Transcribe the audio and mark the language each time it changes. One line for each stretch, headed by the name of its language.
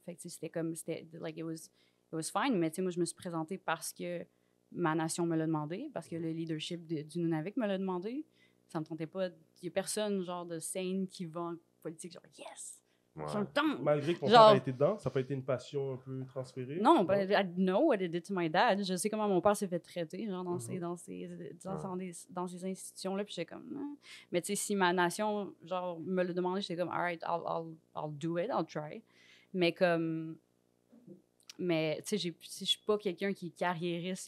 French: Fait que, c'était comme,
English: it was fine,
French: mais, tu sais, moi, je me suis présentée parce que ma nation me l'a demandé, parce que le leadership du Nunavik me l'a demandé. Ça me tentait pas. Il y a personne, genre, de sane qui va en politique, genre, yes! Ouais. Sur le temps. Malgré que ton genre, père a été dedans, ça n'a pas été une passion un peu transférée? Non,
English: but I know what it did to my dad.
French: Je sais comment mon père s'est fait traiter, genre dans ces dans institutions-là. Puis j'étais comme, non. Mais tu sais, si ma nation genre, me le demandait, j'étais comme,
English: all right, I'll do it, I'll try.
French: Mais comme, mais tu sais, je ne suis pas quelqu'un qui est carriériste.